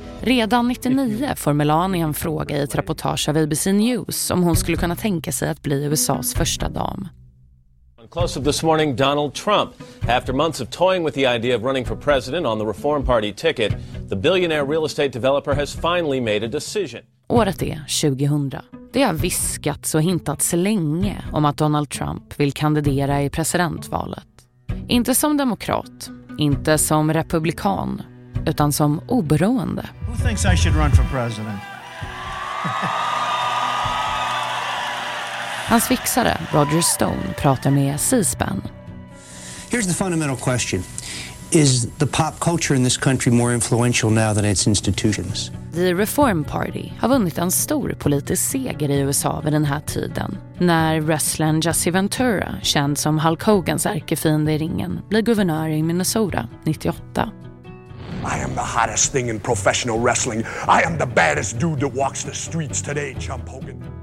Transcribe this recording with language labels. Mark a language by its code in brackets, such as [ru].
[sv] Redan 99 får Melania en fråga i ett reportage av ABC News om hon skulle kunna tänka sig att bli USA:s första dam. [en] Close up this morning, Donald Trump. After months of toying with the idea of running for president on the Reform Party ticket, the billionaire real estate developer has finally made a decision. [sv] Året är 2000. Det har viskats och hintats länge om att Donald Trump vill kandidera i presidentvalet. Inte som demokrat, inte som republikan, utan som oberoende. [en] Who thinks I should run for president? [sv] Hans fixare, Roger Stone, pratar med C-SPAN. [en] Here's the fundamental question. Is the pop culture in this country more influential now than its institutions? [sv] The Reform Party har vunnit en stor politisk seger i USA vid den här tiden. När wrestlern Jesse Ventura, känd som Hulk Hogans ärkefiende i ringen, blev guvernör i Minnesota 98. [en] I am the hottest thing in professional wrestling. I am the baddest dude that walks the streets today, Chump Hogan.